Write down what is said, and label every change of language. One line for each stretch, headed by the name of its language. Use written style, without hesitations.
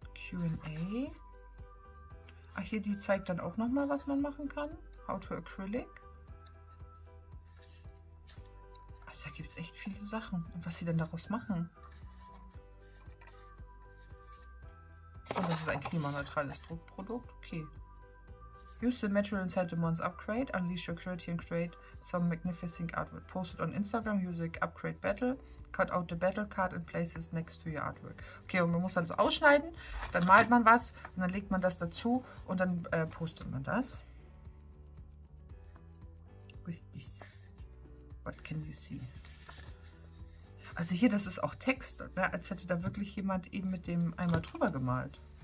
German: Q&A. Ach, hier, die zeigt dann auch nochmal, was man machen kann. How to Acrylic. Also da gibt es echt viele Sachen. Und was sie denn daraus machen. Oh, das ist ein klimaneutrales Druckprodukt. Okay.
English: Use the material inside the month's upgrade. Unleash your creativity and create some magnificent artwork. Post it on Instagram. Use the upgrade battle. Cut out the battle card and place it next to your artwork.
German: Okay, und man muss dann so ausschneiden, dann malt man was und dann legt man das dazu und dann postet man das.
English: With this. What can you see?
German: Also hier, das ist auch Text, ne? Als hätte da wirklich jemand eben mit dem Eimer drüber gemalt.